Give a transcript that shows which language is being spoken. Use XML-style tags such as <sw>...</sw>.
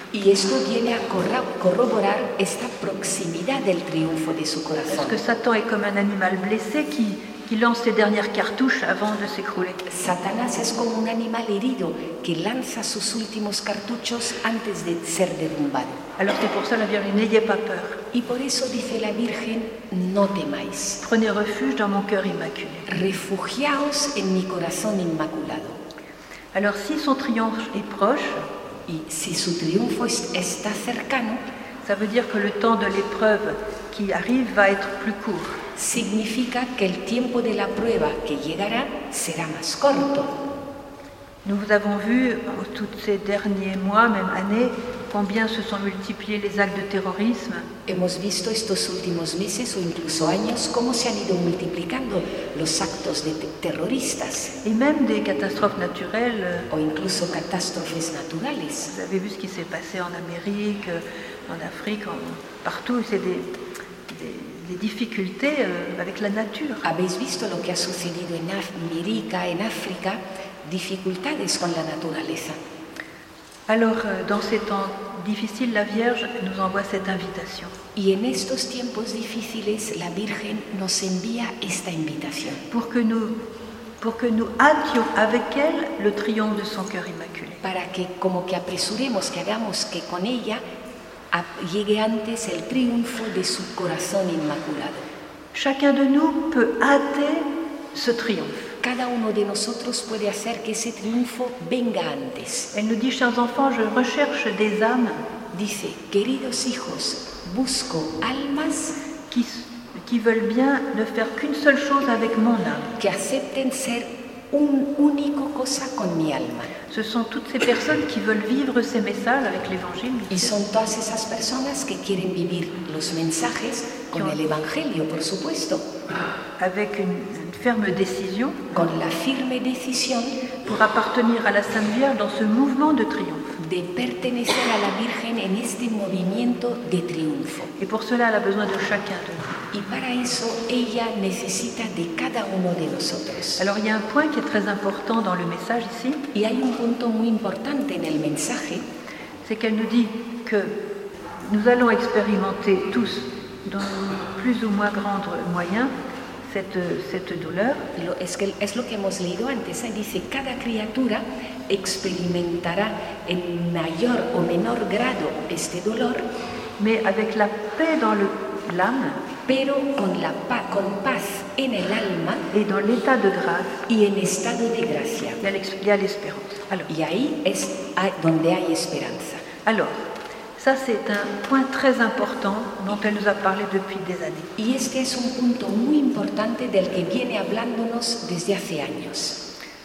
<es>Y esto viene a corroborar esta proximidad del triunfo de su corazón.</es> <fr>Parce que Satan est comme un animal blessé qui lance les dernières cartouches avant de s'écrouler.</fr> <es>Satanás es como un animal herido que lanza sus últimos cartuchos antes de ser derrumbado.</es> <fr>Alors c'est pour ça la Vierge, n'ayez pas peur.</fr> <es>Y por eso dice la Virgen, no temáis.</es> <fr>Prenez refuge dans mon cœur immaculé.</fr> <es>Refugiaos en mi corazón inmaculado.</es> <fr>Alors si son triomphe est proche,</fr> <es>y si su triunfo está cercano,</es> <fr>ça veut dire que le temps de l'épreuve qui arrive va être plus court.</fr> <es>Significa que el tiempo de la prueba que llegará será más corto.</es> <fr>Nous vous avons vu en tous ces derniers mois, même années, combien se sont multipliés les actes de terrorisme.</fr> <es>Hemos visto estos últimos meses o incluso años cómo se han ido multiplicando los actos de terroristas.</es> <fr>Et même des catastrophes naturelles.</fr> <es>O incluso catástrofes naturales.</es> <fr>Vous avez vu ce qui s'est passé en Amérique, en Afrique, partout. C'est des difficultés avec la nature.</fr> <es>Habéis visto lo que ha sucedido en América, en África, dificultades con la naturaleza.</es> <fr>Alors, dans ces temps difficiles, la Vierge nous envoie cette invitation.</fr> <es>Y en estos tiempos difíciles, la Virgen nos envía esta invitación.</es> <fr>Pour que nous hâtions avec elle le triomphe de son cœur immaculé.</fr> <es>Para que, como que apresuremos, que hagamos que con ella llegue antes el triunfo de su corazón inmaculado.</es> <fr>Chacun de nous peut hâter ce triomphe.</fr> <es>Cada uno de nosotros puede hacer que ese triunfo venga antes.</es> <fr>Elle nous dit, chers enfants, je recherche des âmes.</fr> <es>Dice, queridos hijos, busco almas</es> <fr>qui veulent bien ne faire qu'une seule chose avec mon âme.</fr> <es>Que acepten ser une unique cosa con mi alma.</es> <fr>Ce sont toutes ces personnes qui veulent vivre ces messages avec l'Évangile.</fr> <es>Y son todas esas personas que quieren vivir los mensajes con el Evangelio, por supuesto.</es> <fr>Avec une ferme décision.</fr> <es>Con la firme decisión.</es> <fr>Pour appartenir à la Sainte Vierge dans ce mouvement de triomphe.</fr> <es>De pertenecer a la Virgen en este movimiento de triunfo.</es> <fr>Et pour cela, elle a besoin de chacun de nous.</fr> <es>Y para eso ella necesita de cada uno de nosotros.</es> <fr>Alors il y a un point qui est très important dans le message ici.</fr> <es>Y hay un punto muy importante en el mensaje.</es> <fr>C'est qu'elle nous dit que nous allons expérimenter tous, dans plus ou moins grands moyens, cette douleur.</fr> <es>Es lo que hemos leído antes. Elle dice cada criatura experimentará en mayor o menor grado este dolor.</es> <fr>Mais avec la paix dans l'âme.</fr> <es>Pero con la paz, con paz en el alma</es> <fr>y dans l'état de grâce</fr> <es>y en estado de gracia</es> <fr>y a l'espérance.</fr> <es>Alors, y ahí es donde hay esperanza.</es> <fr>Alors, ça c'est un point très important dont elle nous a parlé depuis des années.</fr> <es>Y este es un punto muy importante del que viene hablándonos desde hace años.</es>